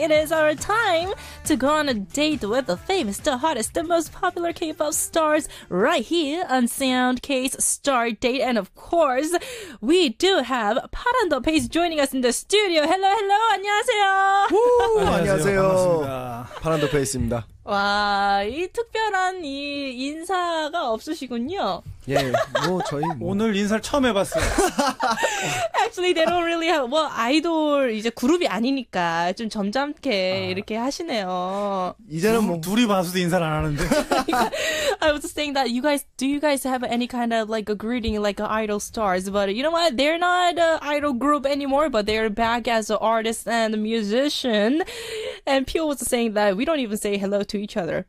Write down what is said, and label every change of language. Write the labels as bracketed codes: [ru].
[en] It is our time to go on a date with the famous, the hottest, the most popular K-pop stars right here on Sound K's Star Date. And of course, we do have Paran the Pace joining us in the studio. Hello, hello. [ko] 안녕하세요. 안녕하세요. 파란 더 페이스입니다. 와, 이 특별한 이 인사가 없으시군요. 예, 뭐 저희 뭐. 오늘 인사를 처음 해봤어요. [en] Actually, they don't really have, [ko] 뭐 아이돌 이제 그룹이 아니니까 좀 점잖게 이렇게 하시네요. 이제는 뭐 둘이 봐서도 인사를 안 하는데. [en] I was saying that do you guys have any kind of like a greeting like idol stars? But you know what? They're not an idol group anymore, but they're back as an artist and a musician. And Pio was saying that we don't even say hello to each other.